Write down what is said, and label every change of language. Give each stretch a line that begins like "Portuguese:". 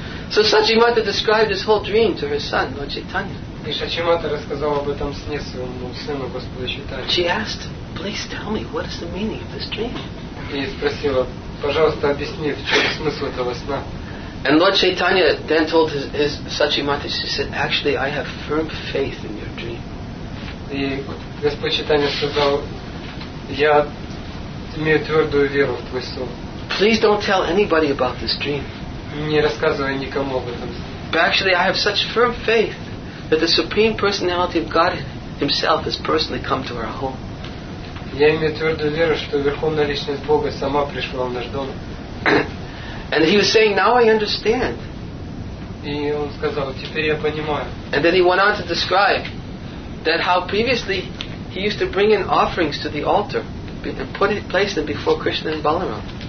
English: So Sachimata described his whole dream to her son, Lord Chaitanya.
Russian: И Шачимата рассказал об этом сне своему сыну Господа Чайтанья.
English: She asked, please tell me, what is the meaning of this dream?
Russian: И спросила, пожалуйста, объясни, в чем смысл этого сна.
English: And Lord Chaitanya then told his Шачимата, she said, actually, I have firm faith in your dream.
Russian: И Господь Чайтанья сказал, я имею твердую веру в твой сон.
English: Please don't tell anybody about this dream.
Russian: Не рассказывай никому об этом сне.
English: But actually, I have such firm faith that the Supreme Personality of God Himself has personally come to our home.
Russian: Я имею твердую веру, что Верховная Личность Бога сама пришла в наш дом.
English: And he was saying, now I understand.
Russian: И он сказал, теперь я понимаю.
English: And then he went on to describe that how previously he used to bring in offerings to the altar and put it, place them before Krishna and Balaram.